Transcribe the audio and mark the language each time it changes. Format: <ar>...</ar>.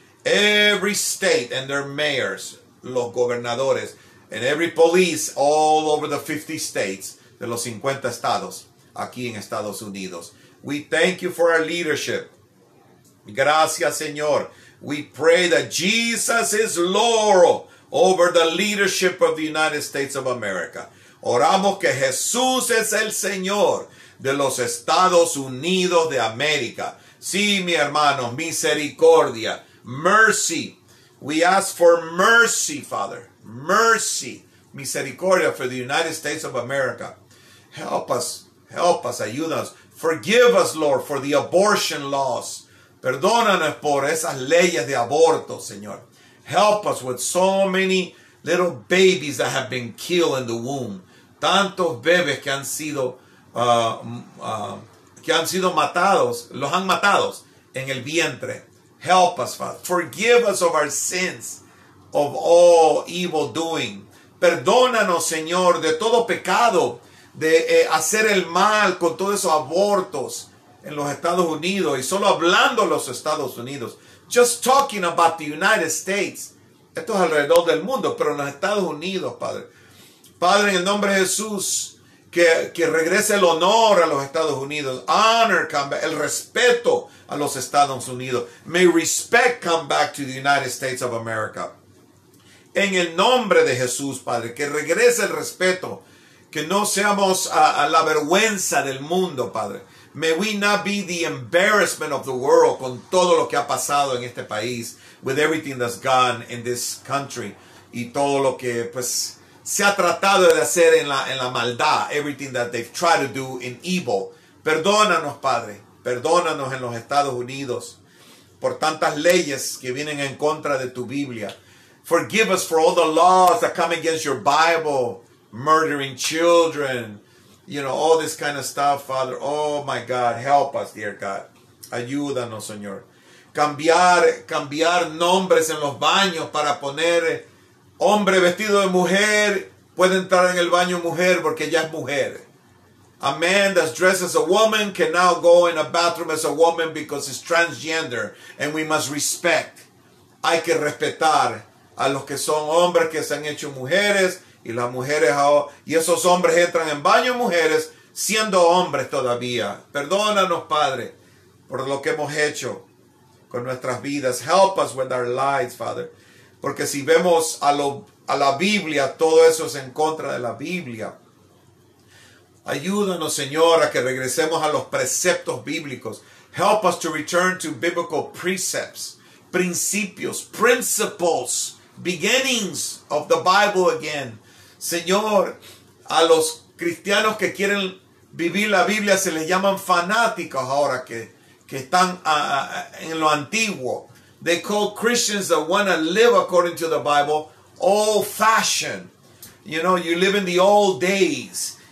<en>Every state and their mayors,</en> <es>los gobernadores,</es> <en>and every police all over the 50 states,</en> <es>de los 50 estados, aquí en Estados Unidos.</es> <en>We thank you for our leadership.</en> <es>Gracias, Señor.</es> <en>We pray that Jesus is Lord over the leadership of the United States of America.</en> <es>Oramos que Jesús es el Señor de los Estados Unidos de América. Sí, mi hermano, misericordia. Mercy.</es> <en>We ask for mercy, Father. Mercy. Misericordia for the United States of America. Help us. Help us.</en> <es>Ayúdanos.</es> <en>Forgive us, Lord, for the abortion laws.</en> <es>Perdónanos por esas leyes de aborto, Señor.</es> <en>Help us with so many little babies that have been killed in the womb.</en> <es>Tantos bebés que han sido matados, los han matados en el vientre.</es> <en>Help us, Father. Forgive us of our sins, of all evil doing.</en> <es>Perdónanos, Señor, de todo pecado, de hacer el mal con todos esos abortos en los Estados Unidos. Y solo hablando los Estados Unidos.</es> <en>Just talking about the United States.</en> <es>Esto es alrededor del mundo, pero en los Estados Unidos, Padre. Padre, en el nombre de Jesús, que regrese el honor a los Estados Unidos.</es> <en>Honor come back,</en> <es>el respeto a los Estados Unidos.</es> <en>May respect come back to the United States of America.</en> <es>En el nombre de Jesús, Padre, que regrese el respeto. Que no seamos a la vergüenza del mundo, Padre.</es> <en>May we not be the embarrassment of the world</en> <es>con todo lo que ha pasado en este país,</es> <en>with everything that's gone in this country,</en> <es>y todo lo que pues se ha tratado de hacer en la maldad,</es> <en>everything that they've tried to do in evil.</en> <es>Perdónanos, Padre. Perdónanos en los Estados Unidos por tantas leyes que vienen en contra de tu Biblia.</es> <en>Forgive us for all the laws that come against your Bible, murdering children, you know, all this kind of stuff, Father. Oh, my God, help us, dear God.</en> <es>Ayúdanos, Señor. Cambiar nombres en los baños para poner hombre vestido de mujer puede entrar en el baño mujer porque ella es mujer.</es> <en>A man that's dressed as a woman can now go in a bathroom as a woman because it's transgender. And we must respect.</en> <es>Hay que respetar a los que son hombres que se han hecho mujeres. Y las mujeres ahora, y esos hombres entran en baño mujeres siendo hombres todavía. Perdónanos, Padre, por lo que hemos hecho con nuestras vidas.</es> <en>Help us with our lives, Father.</en> <es>Porque si vemos a la Biblia, todo eso es en contra de la Biblia. Ayúdanos, Señor, a que regresemos a los preceptos bíblicos.</es> <en>Help us to return to biblical precepts, principios, principles, beginnings of the Bible again.</en> <es>Señor, a los cristianos que quieren vivir la Biblia se les llaman fanáticos ahora que están en lo antiguo.</es> <en>They call Christians that want to live according to the Bible old-fashioned. You know, you live in the old days.</en>